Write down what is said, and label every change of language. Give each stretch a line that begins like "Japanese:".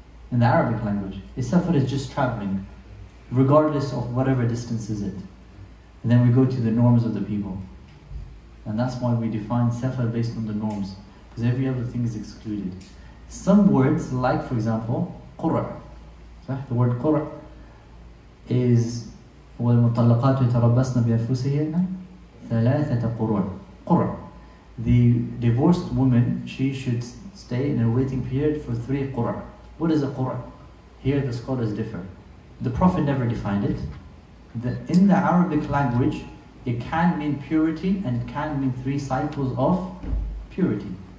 English: In the Arabic language, a Safar is just traveling, regardless of whatever distance is it. And then we go to the norms of the people. And that's why we define Safar based on the norms, because every other thing is excluded. Some words, like for example, Qura. The word Qura is
Arabic: وَالْمُطَلَّقَاتُ يَتَرَبَّسْنَ بِأَنفُسِهِنَّ ثَلَاثَةَ قُرَى.
English: The divorced woman, she should stay in a waiting period for 3 qura. What is a qura? Here the scholars differ. The Prophet never defined it. In the Arabic language, it can mean purity and it can mean 3 cycles of purity.